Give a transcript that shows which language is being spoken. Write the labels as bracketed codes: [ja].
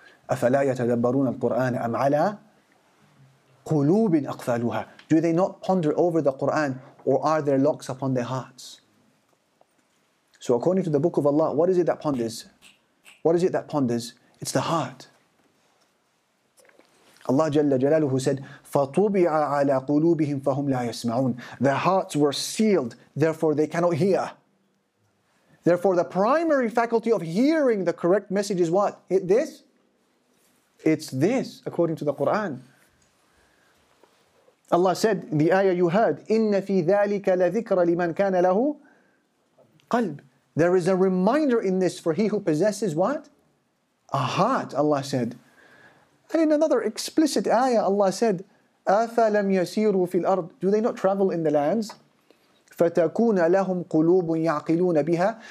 [ar] أَفَلَا يَتَدَبَّرُونَ الْقُرْآنَ أَمْ عَلَى قُلُوبٍ أَقْفَالُهَا. [en] Do they not ponder over the Qur'an, or are there locks upon their hearts? So according to the Book of Allah, what is it that ponders? What is it that ponders? It's the heart. [ar] Allah Jalla Jalaluhu [en] said, [ar] فَطُبِعَ عَلَىٰ قُلُوبِهِمْ فَهُمْ لَا يَسْمَعُونَ. [en] Their hearts were sealed, therefore they cannot hear. Therefore the primary faculty of hearing the correct message is what? This? It's this, according to the Qur'an. Allah said in the ayah you heard, [ar] إِنَّ فِي ذَٰلِكَ لَذِكْرَ لِمَنْ كَانَ لَهُ قَلْبٍ. [en] There is a reminder in this for he who possesses what? A heart, Allah said. And in another explicit ayah, Allah said, [ar] أَفَلَمْ يَسِيرُوا فِي الْأَرْضِ. [en] Do they not travel in the lands? [ar] فَتَكُونَ لَهُمْ قُلُوبٌ يَعْقِلُونَ بِهَا.